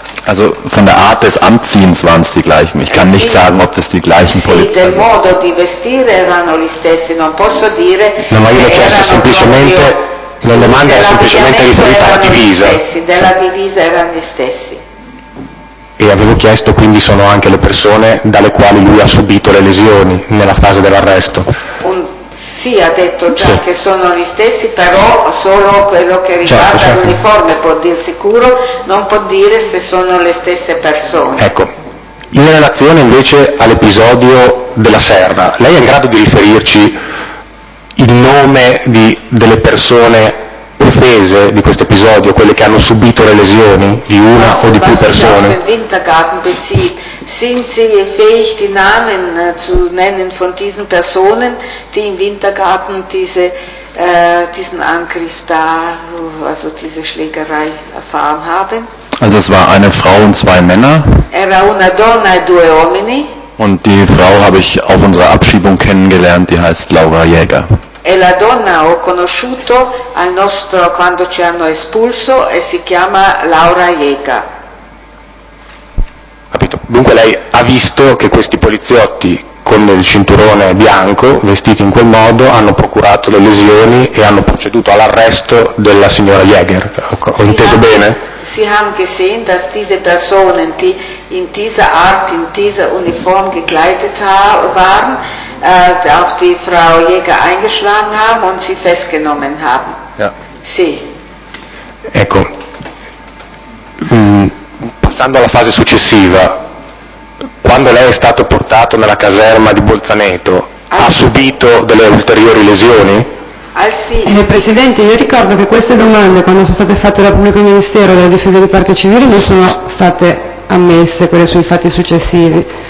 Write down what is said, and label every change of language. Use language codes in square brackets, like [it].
[de] Also von der Art des Anziehens waren es die gleichen. Ich kann nicht sagen, ob das die gleichen Polizisten. [it] Sì, del modo di vestire erano gli stessi. Non posso dire. No, ma io ho chiesto semplicemente. La domanda era semplicemente riferita alla divisa. Sì, della divisa erano gli stessi. E avevo chiesto, quindi sono anche le persone dalle quali lui ha subito le lesioni nella fase dell'arresto. Sì, ha detto già sì. Che sono gli stessi, però solo quello che riguarda certo. L'uniforme può dire sicuro, non può dire se sono le stesse persone. Ecco, in relazione invece all'episodio della serra, lei è in grado di riferirci il nome delle persone offese di questo episodio, quelle che hanno subito le lesioni di una o di più persone? [de] Was sich auf den Wintergarten bezieht, sind Sie fähig, die Namen zu nennen von diesen Personen, die im Wintergarten diesen Angriff da, also diese Schlägerei erfahren haben? Also es war eine Frau und zwei Männer. [it] Era una donna e due uomini. [de] Und die Frau habe ich auf unserer Abschiebung kennengelernt, die heißt Laura Jäger. [it] E la donna ho conosciuto al nostro quando ci hanno espulso e si chiama Laura Jäger. Capito. Dunque lei ha visto che questi poliziotti con il cinturone bianco, vestiti in quel modo, hanno procurato le lesioni e hanno proceduto all'arresto della signora Jäger. Ho inteso bene? [de] Sie haben gesehen, dass diese Personen, die in dieser Art, in dieser Uniform gekleidet waren, auf die Frau Jäger eingeschlagen haben und sie festgenommen haben. Ja. [it] Sì. Ecco. Passando alla fase successiva, quando lei è stato portato nella caserma di Bolzaneto, ha subito delle ulteriori lesioni? Presidente, io ricordo che queste domande, quando sono state fatte dal Pubblico Ministero e dalla Difesa di Parte Civile, non sono state ammesse quelle sui fatti successivi.